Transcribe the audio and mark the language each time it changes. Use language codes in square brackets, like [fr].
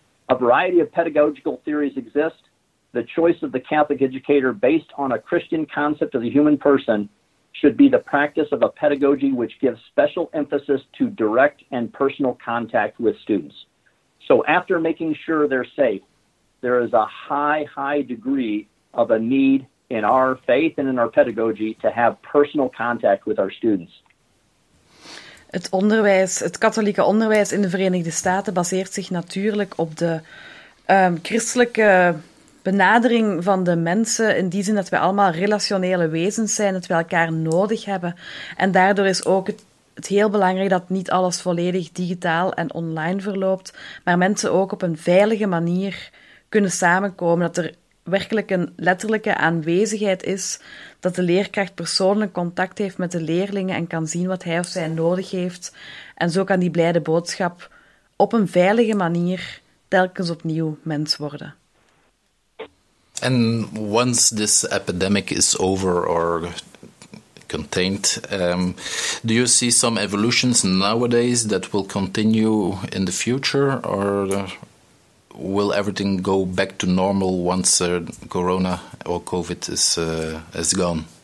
[en] A variety of pedagogical theories exist. The choice of the Catholic educator based on a Christian concept of the human person should be the practice of a pedagogy which gives special emphasis to direct and personal contact with students. So after making sure they're safe, there is a high, high degree of a need in our faith and in our pedagogy to have personal contact with our students. [nl] Het katholieke onderwijs in de Verenigde Staten baseert zich natuurlijk op de christelijke benadering van de mensen, in die zin dat we allemaal relationele wezens zijn, dat we elkaar nodig hebben. En daardoor is ook het heel belangrijk dat niet alles volledig digitaal en online verloopt, maar mensen ook op een veilige manier kunnen samenkomen, dat er werkelijk een letterlijke aanwezigheid is, dat de leerkracht persoonlijk contact heeft met de leerlingen en kan zien wat hij of zij nodig heeft. En zo kan die blijde boodschap op een veilige manier telkens opnieuw mens worden. [en] En once this epidemic is over or contained, do you see some evolutions nowadays that will continue in the future, or will everything go back to normal once Corona or COVID is gone?